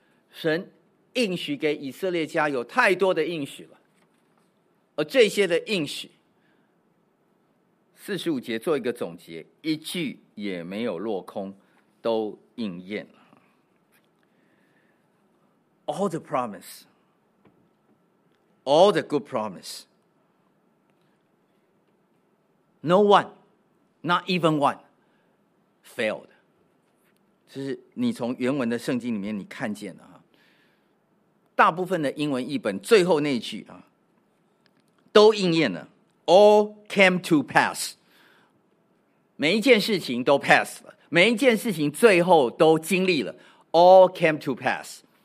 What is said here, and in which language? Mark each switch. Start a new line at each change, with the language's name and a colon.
Chinese: 神应许给以色列家有太多的应许了，而这些的应许，四十五节做一个总结，一句也没有落空，都应验了。
English: All the promise, all the good promise, no one, not even one, failed.
Chinese: 就是你从原文的圣经里面你看见了，大部分的英文译本最后那一句都应验了，
English: All came to pass，
Chinese: 每一件事情都 pass 了，每一件事情最后都经历了， All came to pass。